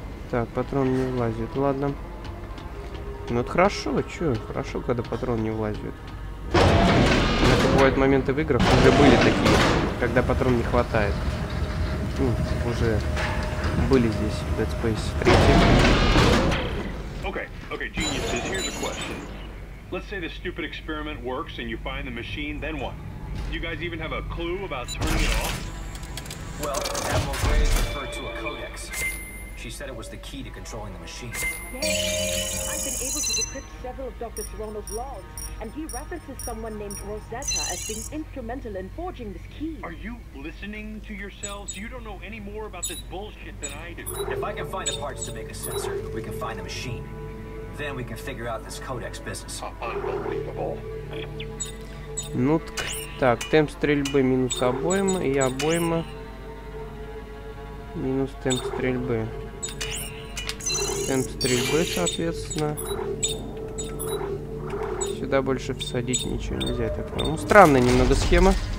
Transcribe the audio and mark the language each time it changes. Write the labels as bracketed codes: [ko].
[ru] Так, патрон не влазит. Ладно. Ну это хорошо, че? Хорошо, когда патрон не влазит. Это бывают моменты в играх, уже были такие, когда патрон не хватает. Ну, уже были здесь в Dead Space 3. [en] Okay, geniuses, here's a question. Let's say this stupid experiment works and you find the machine, then what? Do you guys even have a clue about turning it off? Well, Admiral Gray referred to a codex. She said it was the key to controlling the machine. Yes. I've been able to decrypt several of Dr. Serrano's logs, and he references someone named Rosetta as being instrumental in forging this key. Are you listening to yourselves? You don't know any more about this bullshit than I do. If I can find the parts to make a sensor, we can find the machine. Then we can figure out this codex business. Unbelievable. [ru] Ну, так, темп стрельбы минус обойма и обойма. Минус темп стрельбы. Темп стрельбы, соответственно. Сюда больше всадить ничего нельзя. Так, ну, странная немного схема.